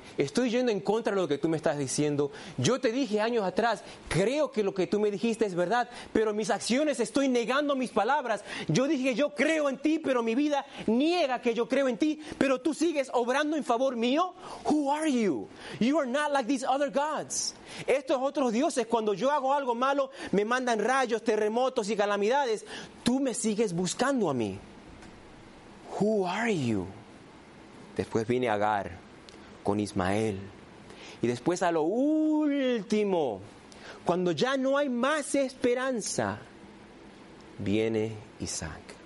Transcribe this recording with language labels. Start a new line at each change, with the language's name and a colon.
Spanish: Estoy yendo en contra de lo que tú me estás diciendo. Yo te dije años atrás, creo que lo que tú me dijiste es verdad, pero mis acciones estoy negando mis palabras. Yo dije que yo creo en ti, pero mi vida niega que yo creo en ti, pero tú sigues obrando en favor mío.
English: Who are you? You are not like these other gods.
Spanish: Estos otros dioses, cuando yo hago algo malo, me mandan rayos, terremotos y calamidades. Tú me sigues buscando a mí.
English: Who are you?
Spanish: Después viene Agar con Ismael. Y después a lo último, cuando ya no hay más esperanza, viene Isaac.